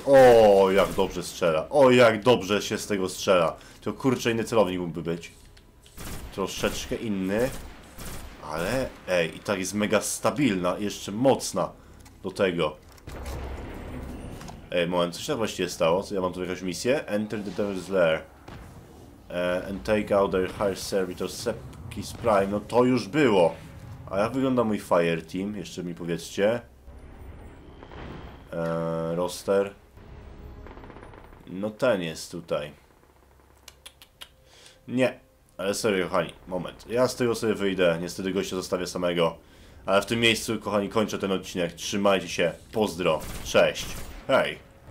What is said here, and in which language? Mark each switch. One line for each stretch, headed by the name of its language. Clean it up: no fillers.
Polish: O, jak dobrze strzela. O, jak dobrze się z tego strzela. To kurczę, inny celownik mógłby być. Troszeczkę inny. Ale, ej, i tak jest mega stabilna i jeszcze mocna do tego. Ej, moment, co się tak właściwie stało? Co, ja mam tu jakąś misję?
English: Enter the Devil's Lair. And take out their higher servitor, Sepkis Prime.
Polish: No to już było. A jak wygląda mój fire team? Jeszcze mi powiedzcie. Roster. No ten jest tutaj. Nie. Ale serio, kochani, moment. Ja z tego sobie wyjdę. Niestety gościa zostawię samego. Ale w tym miejscu, kochani, kończę ten odcinek. Trzymajcie się. Pozdro. Cześć. Hej.